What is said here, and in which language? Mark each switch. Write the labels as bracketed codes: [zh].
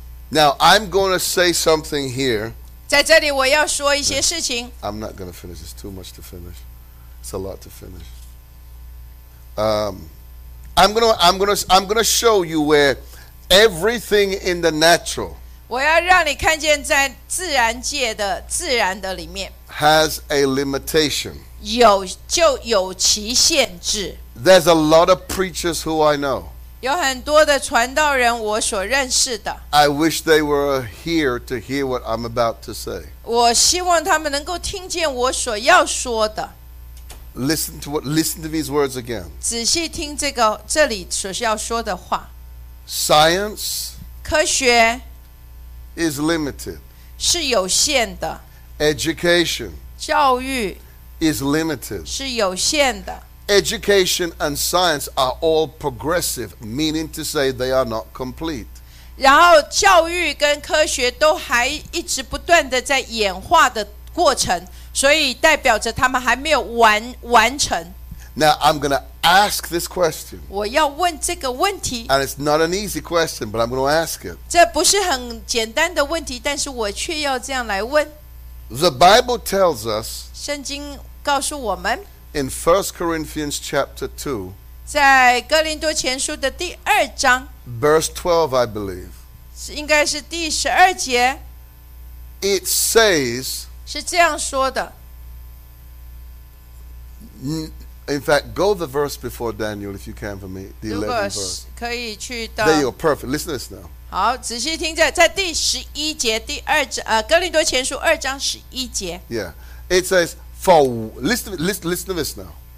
[en] Now I'm going to say something here. [zh] 在这里我要说一些事情。 [en] I'm not going to finish. It's too much to finish. It's a lot to finish. I'm gonna show you where everything in the natural. [zh] 我要让你看见在自然界的自然的里面 [en] has a limitation. [zh] 就有其限制。 [en] There's a lot of preachers who I know. [zh] 有很多的传道人我所认识的。 [en] I wish they were here to hear what I'm about to say. [zh] 我希望他们能够听见我所要说的。 [en] Listen to these words again. [zh] 仔细听这里所要说的话。 [en] Science, [zh] 科学 [en] is limited. [zh] 是有限的。 [en] Education, [zh] 教育 [en] is limited. [zh] 是有限的。 [en] Education and science are all progressive, meaning to say they are not complete. [zh] 然后教育跟科学都还一直不断的在演化的过程。所以代表着他们还没有完成。 [en] Now I'm going to ask this question. [zh] 我要问这个问题。 [en] And it's not an easy question, but I'm going to ask it. [zh] 这不是很简单的问题，但是我却要这样来问。 [en] The Bible tells us. [zh] 圣经告诉我们。 [en] In 1 Corinthians chapter 2. [zh] 在哥林多前书的第二章。 [en] Verse 12, I believe. [zh] 应该是第十二节。 [en] It says. [zh] 是这样说的。 [en] In fact, go the verse before Daniel if you can for me. The 11th verse. [zh] 可以去到。 [en] There you are, perfect. Listen to this now. [zh] 好，仔细听着，在第十一节第二章，哥林多前书二章十一节。 [en] Yeah, it says for listen to this now.